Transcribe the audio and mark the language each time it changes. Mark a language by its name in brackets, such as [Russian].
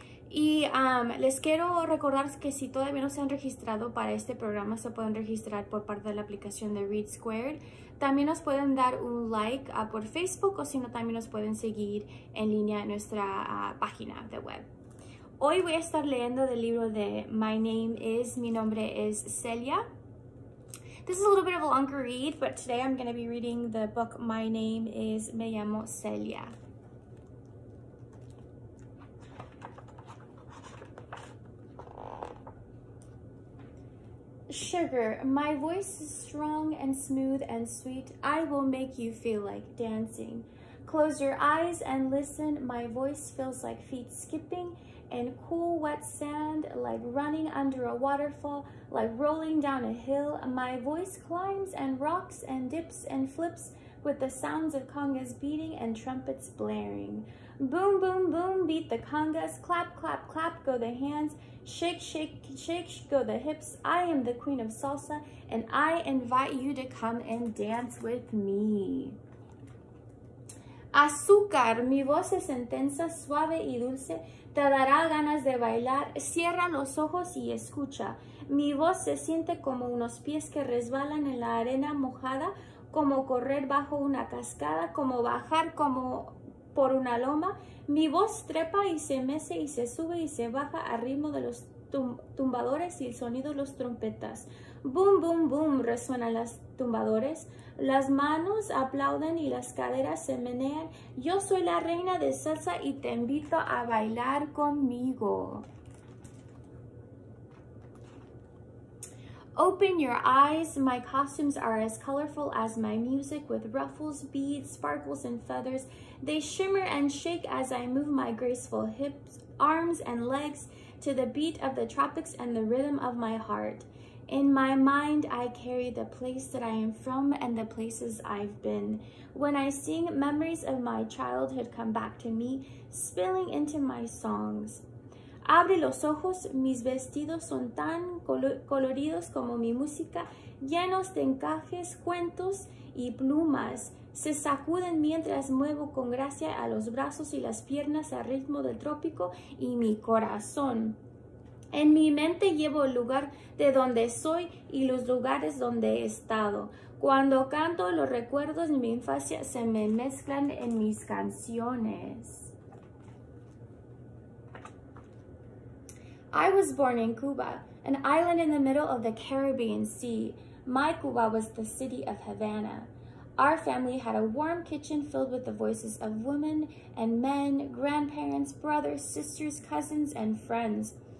[Spanish] Y les quiero recordar que si todavía no se han registrado para este programa, se pueden registrar por parte de la aplicación de Read Squared. También nos pueden dar un like por Facebook, o si no, también nos pueden seguir en línea en nuestra página de web. Hoy voy a estar leyendo del libro de My Name Is, Mi Nombre Es Celia. [English] This is a little bit of a longer read, but today I'm going to be reading the book My Name Is, Me Llamo Celia. Sugar, my voice is strong and smooth and sweet. I will make you feel like dancing. Close your eyes and listen. My voice feels like feet skipping and cool wet sand, like running under a waterfall, like rolling down a hill. My voice climbs and rocks and dips and flips with the sounds of congas beating and trumpets blaring. Boom, boom, boom, beat the congas. Clap, clap, clap, go the hands. Shake, shake, shake, go the hips. I am the queen of salsa, and I invite you to come and dance with me. [Spanish] Azúcar, mi voz es intensa, suave y dulce. Te dará ganas de bailar. Cierra los ojos y escucha. Mi voz se siente como unos pies que resbalan en la arena mojada, como correr bajo una cascada, como bajar como por una loma. Mi voz trepa y se mece y se sube y se baja al ritmo de los tumbadores y el sonido de los trompetas. Boom, boom, boom, resuenan las tumbadores. Las manos aplauden y las caderas se menean. Yo soy la reina de salsa y te invito a bailar conmigo. [English] Open your eyes. My costumes are as colorful as my music, with ruffles, beads, sparkles, and feathers. They shimmer and shake as I move my graceful hips, arms, and legs to the beat of the tropics and the rhythm of my heart. In my mind, I carry the place that I am from and the places I've been. When I sing, memories of my childhood come back to me, spilling into my songs. [Spanish] Abre los ojos, mis vestidos son tan coloridos como mi música, llenos de encajes, cuentos y plumas. Se sacuden mientras muevo con gracia a los brazos y las piernas al ritmo del trópico y mi corazón. En mi mente llevo el lugar de donde soy y los lugares donde he estado. Cuando canto, los recuerdos de mi infancia se me mezclan en mis canciones. [English] I was born in Cuba, an island in the middle of the Caribbean Sea. My Cuba was the city of Havana. Our family had a warm kitchen filled with the voices of women and men, grandparents, brothers, sisters, cousins, and friends.